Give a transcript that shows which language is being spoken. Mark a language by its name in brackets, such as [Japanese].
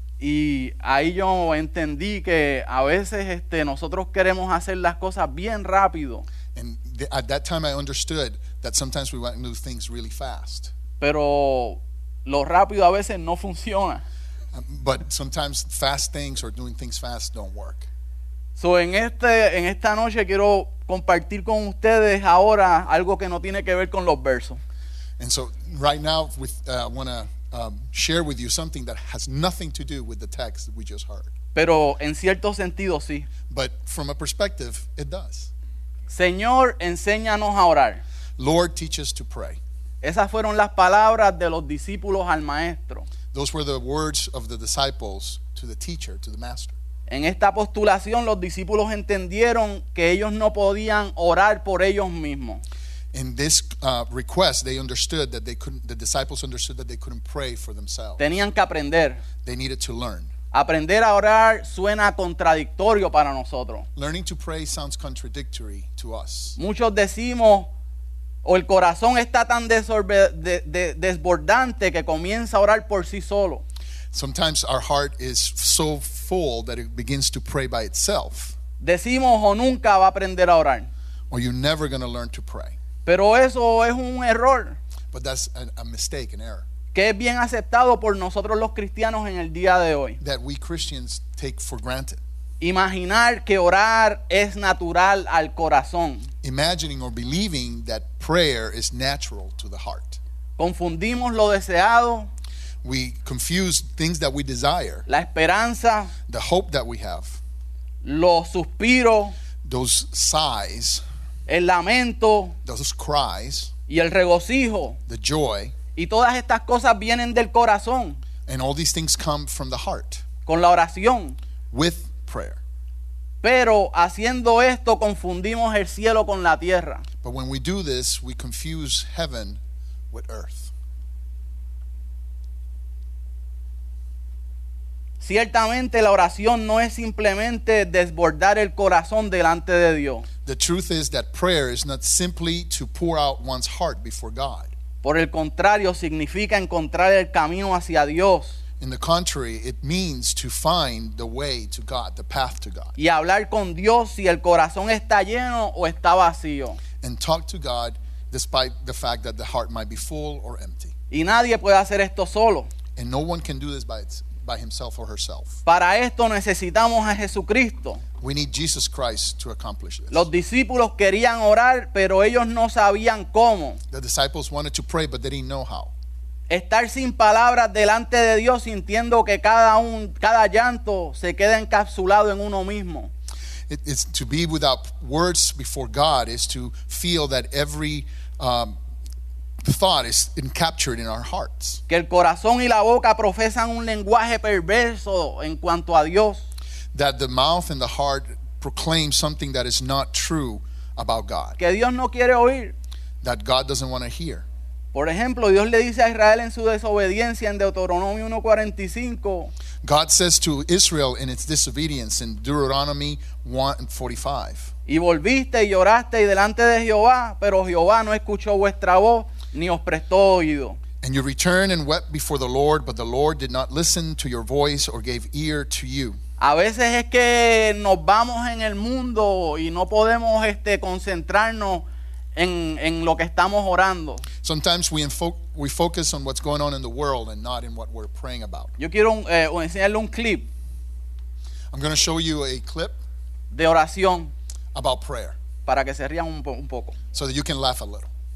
[Spanish] Y ahí yo entendí que a veces nosotros queremos hacer las cosas bien rápido. [English] At that time I understood that sometimes we want to do things really fast. [Spanish] Pero lo rápido a veces no funciona. [English] But sometimes fast things or doing things fast don't work. [Spanish] So en esta noche quiero compartir con ustedes ahora algo que no tiene que ver con los versos. [English] And so right now I want to share with you something that has nothing to do with the text that we just heard. [Spanish] Pero en cierto sentido sí. [English] But from a perspective it does. [Spanish] Señor, enséñanos a orar. [English] Lord, teach us to pray. [Spanish] Esas fueron las palabras de los discípulos al maestro. [English] Those were the words of the disciples to the teacher, to the master. [Spanish] En esta postulación, los discípulos entendieron que ellos no podían orar por ellos mismos. [English] in this request, they understood that they couldn't. The disciples understood that they couldn't pray for themselves. [Spanish] Tenían que aprender. [English] They needed to learn. [Spanish] Aprender a orar suena contradictorio para nosotros. [English] Learning to pray sounds contradictory to us. [Spanish] Muchos decimos, o el corazón está tan desbordante que comienza a orar por sí solo. [English] Sometimes our heart is so full that it begins to pray by itself. [Spanish] Decimos, o nunca va a aprender a orar. [English] Or you're never going to learn to pray. [Spanish] Pero eso es un error. [English] But that's a mistake, an error. [Spanish] Que es bien aceptado por nosotros los cristianos en el día de hoy. [English] That we Christians take for granted. [Spanish] Imaginar que orar es natural al corazón. [English] Imagining or believing that prayer is natural to the heart. [Spanish] Confundimos lo deseado. [English] We confuse things that we desire. [Spanish] La esperanza. [English] The hope that we have. [Spanish] Los suspiros. [English] Those sighs. [Spanish] El lamento. [English] Those cries. [Spanish] Y el regocijo. [English] The joy. [Spanish] Y todas estas cosas vienen del corazón. [English] And all these things come from the heart. [Spanish] Con la oración. [English] With prayer. [Spanish] Pero haciendo esto confundimos el cielo con la tierra. [English] But when we do this, we confuse heaven with earth. [Spanish] Ciertamente la oración no es simplemente desbordar el corazón delante de Dios. [English] The truth is that prayer is not simply to pour out one's heart before God. [Spanish] Por el contrario, significa encontrar el camino hacia Dios. [English] In the contrary, it means to find the way to God, the path to God. [Spanish] Y hablar con Dios si el corazón está lleno o está vacío. [English] And talk to God despite the fact that the heart might be full or empty. [Spanish] Y nadie puede hacer esto solo. [English] And no one can do this by himself or herself. [Spanish] Para esto necesitamos a Jesucristo. [English] We need Jesus Christ to accomplish this. [Spanish] Los discípulos querían orar, pero ellos no sabían cómo. [English] The disciples wanted to pray, but they didn't know how. [Spanish] Estar sin palabras delante de Dios, sintiendo que cada llanto se queda encapsulado en uno mismo. [English] It's to be without words before God is to feel that every thought is encapsulated in our hearts. [Spanish] Que el corazón y la boca profesan un lenguaje perverso en cuanto a Dios. [English] That the mouth and the heart proclaim something that is not true about God. [Spanish] Que Dios no quiere oír. [English] That God doesn't want to hear. [Spanish] Por ejemplo, Dios le dice a Israel en su desobediencia en Deuteronomio 1:45. [English] God says to Israel in its disobedience in Deuteronomy 1:45. [Spanish] Y volviste y lloraste delante de Jehová, pero Jehová no escuchó vuestra voz ni os prestó oído. [English] And you returned and wept before the Lord, but the Lord did not listen to your voice or gave ear to you. [Spanish] A veces es que nos vamos en el mundo y no podemos concentrarnos en lo que estamos orando. [English] Sometimes we focus on what's going on in the world and not in what we're praying about. [Spanish] Yo quiero enseñarle un clip. [English] I'm going to show you a clip [Spanish] de oración [English] about prayer. [Spanish] Para que se rían un poco. [English] So that you can laugh a little.